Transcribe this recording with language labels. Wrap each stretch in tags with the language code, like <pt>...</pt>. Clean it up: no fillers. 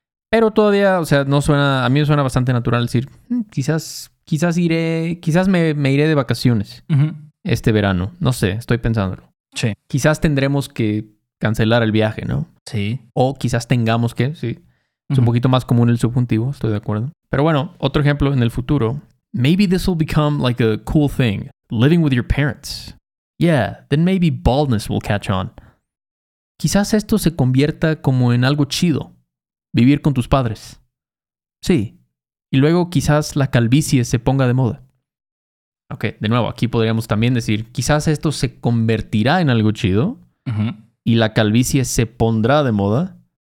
<es>Pero todavía, o sea, no suena, a mí me suena bastante natural decir quizás... Quizás me iré de vacaciones. Uh-huh. Este verano. No sé, estoy pensándolo. Sí. Quizás tendremos que cancelar el viaje, ¿no? Sí. O quizás tengamos que, sí. Es uh-huh. un poquito más común el subjuntivo, estoy de acuerdo. Pero bueno, otro ejemplo en el futuro.</es> <en>Maybe this will become like a cool thing. Living with your parents. Yeah, then maybe baldness will catch on.</en> <es>Quizás esto se convierta como en algo chido. Vivir con tus padres. Sí. Y luego quizás la calvicie se ponga de moda. Ok, de nuevo, aquí podríamos también decir, quizás esto se convertirá en algo chido y la calvicie se pondrá de moda.</es>